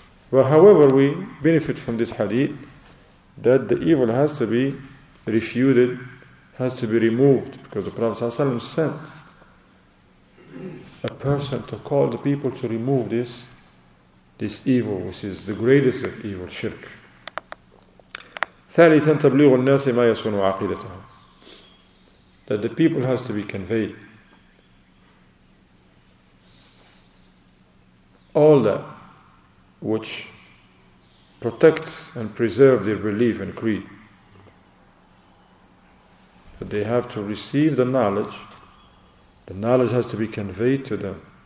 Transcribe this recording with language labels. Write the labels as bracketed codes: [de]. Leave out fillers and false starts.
[en] Well, however, we benefit from this hadith that the evil has to be refuted, has to be removed, because the Prophet ﷺ sent a person to call the people to remove this evil, which is the greatest of evil, shirk. [ar] ثالثاً تبلغ الناس ما يصون عقيدتهم. [en] That the people has to be conveyed all that which protects and preserves their belief and creed. That they have to receive the knowledge. The knowledge has to be conveyed to them.